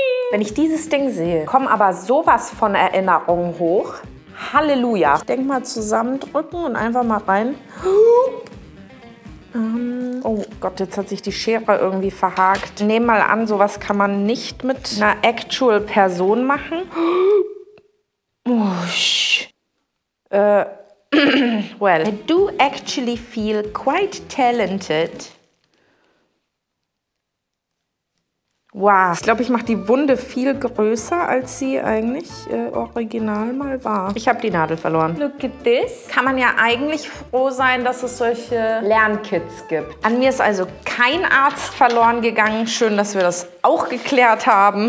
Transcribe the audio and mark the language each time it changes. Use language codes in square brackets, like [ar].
[de] Wenn ich dieses Ding sehe, kommen aber sowas von Erinnerungen hoch. Halleluja. Ich denke mal zusammendrücken und einfach mal rein. Oh Gott, jetzt hat sich die Schere irgendwie verhakt. Nehm mal an, sowas kann man nicht mit einer actual Person machen. [en] Well, I do actually feel quite talented. Wow. [de] Ich glaube, ich mache die Wunde viel größer, als sie eigentlich original mal war. Ich habe die Nadel verloren. [en] Look at this. [de] Kann man ja eigentlich froh sein, dass es solche Lernkits gibt. An mir ist also kein Arzt verloren gegangen. Schön, dass wir das auch geklärt haben.